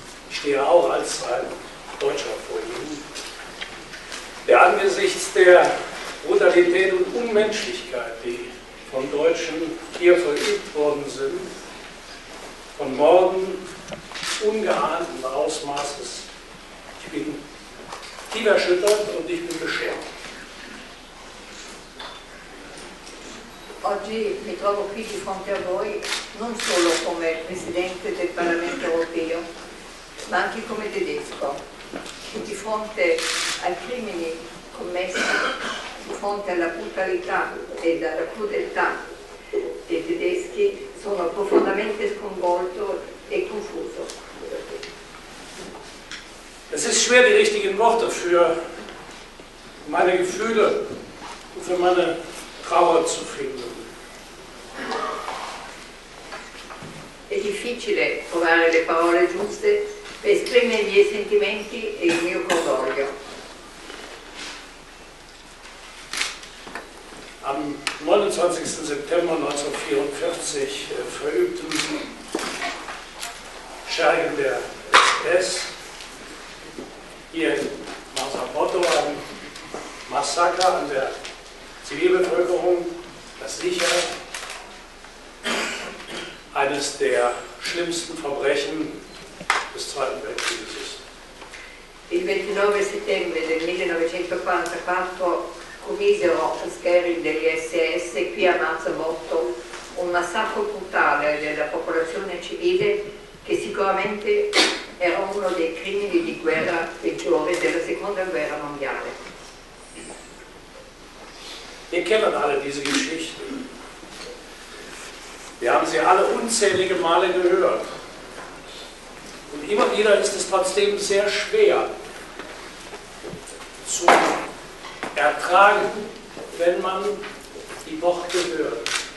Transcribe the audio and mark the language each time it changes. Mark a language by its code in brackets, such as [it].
[de] Ich stehe auch als ein Deutscher vor Ihnen, der angesichts der Brutalität und Unmenschlichkeit, die von Deutschen hier verübt worden sind, von Morden ungeahnten Ausmaßes, ich bin tief erschüttert und ich bin beschämt. [it] Oggi mi trovo qui di fronte a voi non solo come Presidente del Parlamento Europeo, ma anche come tedesco, che di fronte ai crimini commessi, di fronte alla brutalità e alla crudeltà dei tedeschi, sono profondamente sconvolto e confuso. [de] Es ist schwer, die richtigen Worte für meine Gefühle und für meine Trauer zu finden. [it] È difficile trovare le parole giuste per esprimere i miei sentimenti e il mio cordoglio. [de] Am 29. September 1944 verübten Schergen der SS hier in Marsabotto ein Massaker an der Zivilbevölkerung, das sicher eines der schlimmsten Verbrechen des Zweiten Weltkrieges ist. [it] Il 29 settembre del 1944 commisero gli scheri degli SS qui a Marsabotto un massacro brutale della popolazione civile che sicuramente era uno dei crimini di guerra peggiore della Seconda Guerra Mondiale. [de] Wir kennen alle diese Geschichten. Wir haben sie alle unzählige Male gehört. Und immer wieder ist es trotzdem sehr schwer zu ertragen, wenn man die Worte hört.